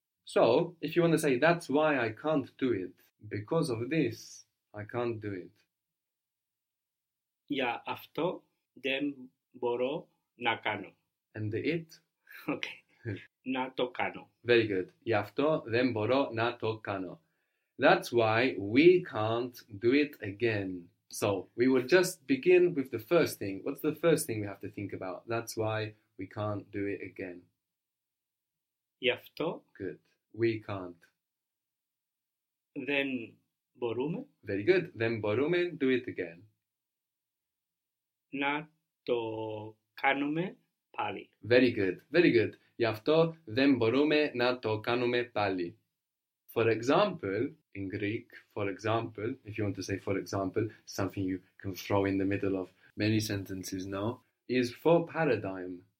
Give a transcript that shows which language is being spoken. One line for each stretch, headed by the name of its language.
English: So, if you want to say, that's why I can't do it, because of this, I can't do it.
Greek: Για αυτό δεν μπορώ να κάνω.
English: And the it?
Greek: Okay. Να το κάνω.
English: Very good.
Greek: Για αυτό δεν μπορώ να το κάνω.
English: That's why we can't do it again. So, we will just begin with the first thing. What's the first thing we have to think about? That's why we can't do it again.
Greek: Γι' αυτό.
English: Good. We can't.
Greek: Δεν μπορούμε.
English: Very good.
Greek: Δεν μπορούμε.
English: Do it again.
Greek: Να το κάνουμε πάλι.
English: Very good. Very good.
Greek: Γι' αυτό δεν μπορούμε να το κάνουμε πάλι.
English: For example, in Greek, for example, if you want to say for example, something you can throw in the middle of many sentences now, is for paradigm.